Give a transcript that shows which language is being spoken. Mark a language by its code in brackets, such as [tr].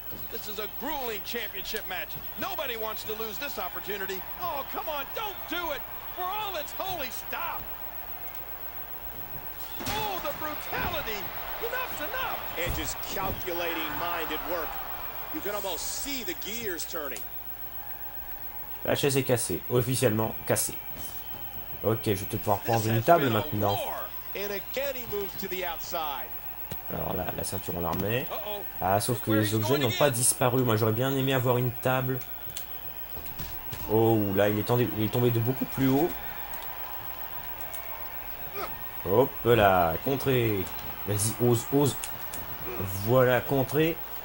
[en] This is a grueling championship match. Nobody wants to lose this opportunity. Oh, come on, don't do it. For all it's holy, stop. Oh, the brutality. Enough's enough. Edge's calculating mind at work. You can almost see the gears turning. [fr] La chaise est cassée, officiellement cassée. OK, je vais pouvoir prendre une table maintenant. [en] And again, he moves to the outside. [fr] Alors là, la ceinture, on la remet. Ah, sauf que les objets n'ont pas disparu. Moi, j'aurais bien aimé avoir une table. Oh, là, il est tombé de beaucoup plus haut. Hop là, contrée. Vas-y, ose. Voilà, contrée.